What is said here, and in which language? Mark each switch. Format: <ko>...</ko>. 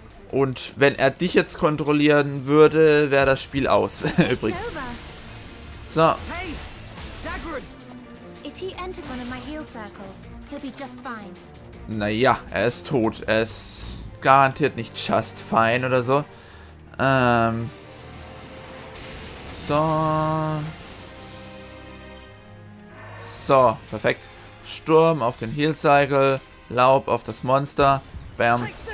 <de>Und wenn er dich jetzt kontrollieren würde, wäre das Spiel aus. Übrigens. So. Hey, Dagrin.</de> <en>If he enters one of my heal circles, he'll be just fine.</en> <de>Naja, er ist tot. Er ist garantiert nicht</de> <en>just fine</en> <de>oder so. So. So, perfekt. Sturm auf den Heal Cycle. Laub auf das Monster. Bam.</de>